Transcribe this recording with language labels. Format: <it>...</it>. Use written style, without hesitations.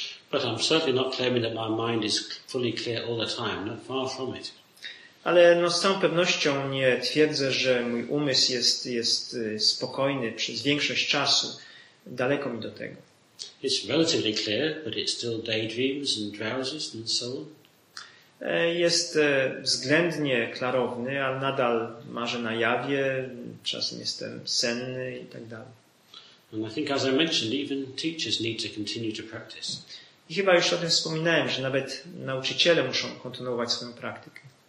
<en>But I'm certainly not claiming that my mind is fully clear all the time. Not far from it.</en> <pl>Ale no, z całą pewnością nie twierdzę, że mój umysł jest spokojny przez większość czasu. Daleko mi do tego.</pl> <en>It's relatively clear, but it still daydreams and drowses and so on.</en> <pl>Jest względnie klarowny, ale nadal marzę na jawie, czasem jestem senny i tak dalej.</pl> <en>And I think, as I mentioned, even teachers need to continue to practice.</en> <pl>I chyba już o tym wspominałem, że nawet nauczyciele muszą kontynuować swoją praktykę.</pl>